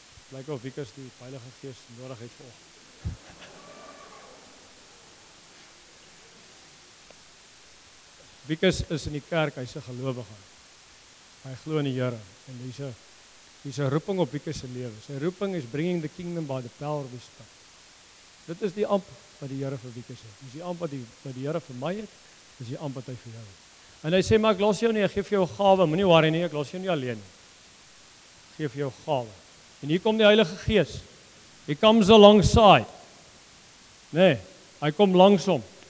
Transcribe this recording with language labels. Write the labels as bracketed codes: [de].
[af] Blyk of Wikus die Heilige Gees nodig het vir ons. Wikus is in die kerk, hy is 'n gelowige. Hy glo in die Here en hy is 'n roeping op Wikus se lewe. Sy roeping is [en] bringing the kingdom by the power of the Spirit. [af] Dit is die amp wat die Here vir Wikus het. Dis die amp wat die Here vir my het, dis die amp wat hy vir jou het. En hy sê, maar ek los jou nie, ek gee vir jou gawe, moenie worry nie, ek los jou nie alleen. Ek gee vir jou gawe. En hier kom die Heilige Gees. [en] He comes alongside. [af] Nee, hy kom langsom.